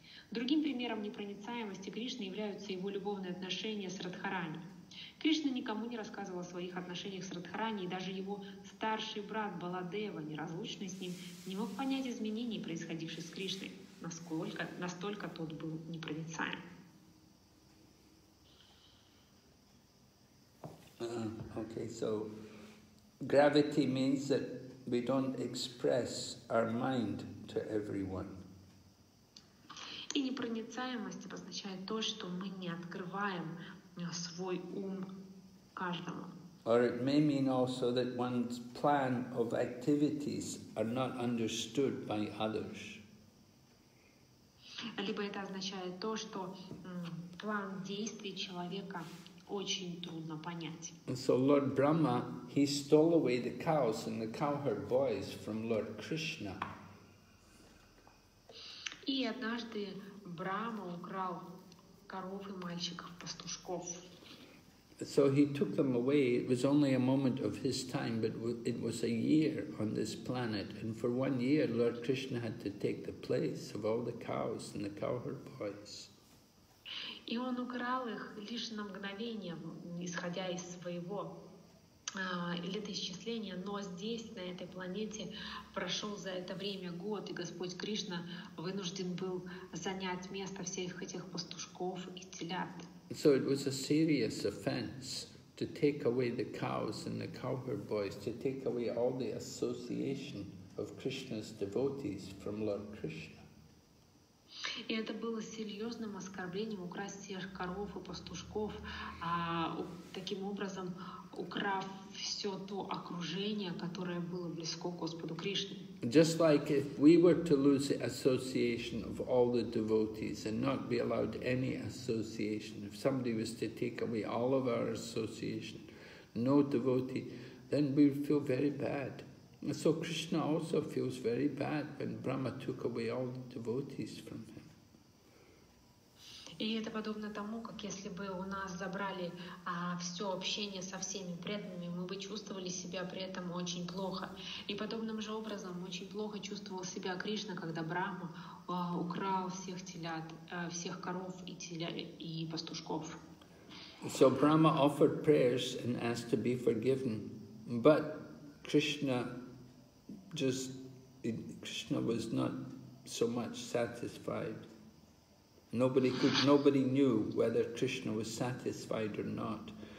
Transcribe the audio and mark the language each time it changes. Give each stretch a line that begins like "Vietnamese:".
Russian: Другим примером непроницаемости Кришны являются его любовные отношения с Радхарани. Кришна никому не рассказывал о своих отношениях с Радхарани, и даже его старший брат Баладева, неразлучный с ним, не мог понять изменений, происходивших с Кришной. Настолько тот был непроницаем.
English: Okay, so gravity means that we don't express our mind to everyone.
Russian: И непроницаемость обозначает то, что мы не открываем свой ум каждому.
English: Or it may mean also that one's plan of activities are not understood by others.
Russian: Либо это означает то, что план действий человека очень трудно понять.
English: And so Lord Brahma, he stole away the cows and the cowherd boys from Lord Krishna.
Russian: И однажды Брахма украл коров и мальчиков пастушков.
English: So he took them away. It was only a moment of his time, but it was a year on this planet. And for 1 year, Lord Krishna had to take the place of all the cows and the cowherd boys.
Russian: И он украл их лишь на мгновение, исходя из своего летоисчисления. Но здесь, на этой планете, прошел за это время год, и Господь Кришна вынужден был занять место всех этих пастушков и телят.
English: So it was a serious offense to take away the cows and the cowherd boys, to take away all the association of Krishna's devotees from Lord Krishna.
Russian: И это было серьезным оскорблением украсть всех коров и пастушков, таким образом украв все то окружение, которое было близко Господу Кришне.
English: Just like if we were to lose the association of all the devotees and not be allowed any association, if somebody was to take away all of our association, no devotee, then we would feel very bad. And so Krishna also feels very bad when Brahma took away all the devotees from him.
Russian: И это подобно тому, как если бы у нас забрали все общение со всеми преданными, мы бы чувствовали себя при этом очень плохо. И подобным же образом очень плохо чувствовал себя Кришна, когда Брахма украл всех телят, всех коров и телят и пастушков.
English: So Brahma offered prayers and asked to be forgiven, but Krishna was not so much satisfied. Nobody knew whether Krishna was satisfied or not.